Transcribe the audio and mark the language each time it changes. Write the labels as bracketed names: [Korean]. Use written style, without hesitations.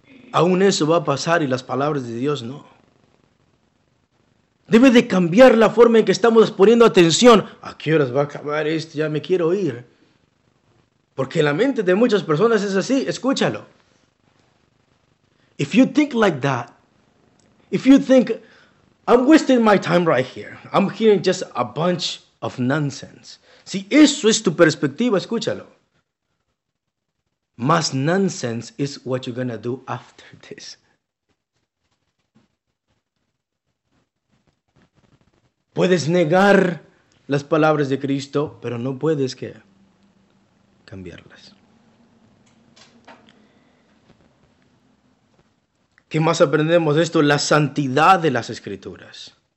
[Spanish] Aún eso va a pasar y las palabras de Dios no. Debe de cambiar la forma en que estamos poniendo atención. ¿A qué horas va a acabar esto? Ya me quiero ir. Porque la mente de muchas personas es así. Escúchalo. [English] If you think like that, if you think, I'm wasting my time right here. I'm hearing just a bunch of nonsense. [Spanish] Si eso es tu perspectiva, escúchalo. [English] Más nonsense is what you're gonna do after this. [Spanish] Puedes negar las palabras de Cristo, pero no puedes ¿qué? Cambiarlas. ¿Qué más aprendemos de esto? La santidad de las Escrituras.